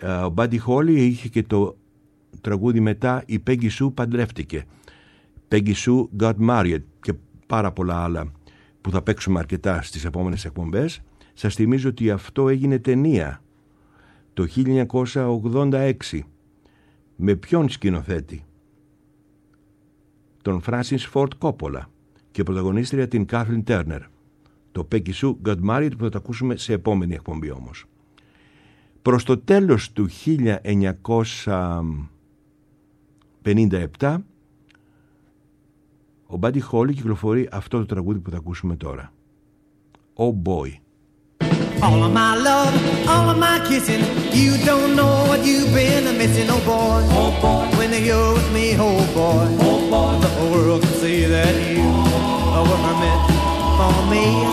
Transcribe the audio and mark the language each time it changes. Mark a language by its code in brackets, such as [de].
[el] Ο Buddy Holly είχε και το τραγούδι μετά «Η Peggy Sue παντρεύτηκε», «Peggy Sue got married» και πάρα πολλά άλλα που θα παίξουμε αρκετά στις επόμενες εκπομπές. Σας θυμίζω ότι αυτό έγινε ταινία το 1986. Με ποιον σκηνοθέτη? Τον Francis Ford Coppola και πρωταγωνίστρια την Kathleen Turner. Το «Peggy Sue got married» που θα το ακούσουμε σε επόμενη εκπομπή όμως. Προς το τέλος του 1957, ο Buddy Holly κυκλοφορεί αυτό το τραγούδι που θα ακούσουμε τώρα. [en] Oh boy. All of my love, all of my kissing, you don't know what you've been missing. Oh boy, oh boy, when you're with me, oh boy, oh boy, the whole world can see that you were meant for me.